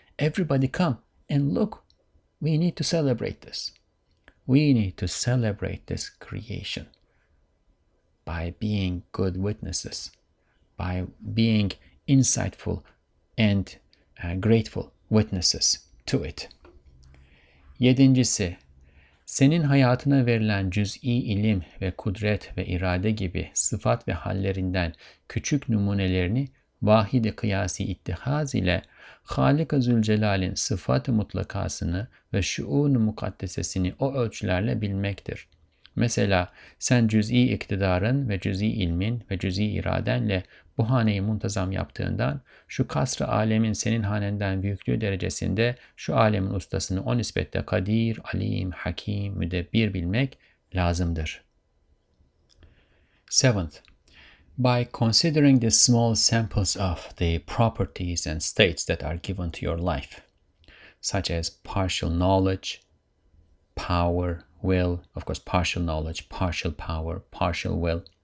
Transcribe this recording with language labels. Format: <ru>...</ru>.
<en>Everybody come and look. We need to celebrate this. We need to celebrate this creation. By being good witnesses, by being insightful and grateful witnesses to it.</en> <tr>Yedincisi, senin hayatına verilen cüz'i ilim ve kudret ve irade gibi sıfat ve hallerinden küçük numunelerini vahid-i kıyasi ittihaz ile Halik-i Zülcelal'in sıfat-ı mutlakasını ve şuun-u mukaddesesini o ölçülerle bilmektir. Mesela sen cüz'i iktidarın ve cüz'i ilmin ve cüz'i iradenle bu haneyi muntazam yaptığından şu kasr-ı alemin senin hanenden büyüklüğü derecesinde şu alemin ustasını o nispette kadir, alim, hakim, müdebbir bilmek lazımdır.</tr> <en>Seventh, by considering the small samples of the properties and states that are given to your life, such as partial knowledge, power, will, of course, partial knowledge, partial power, partial will.</en>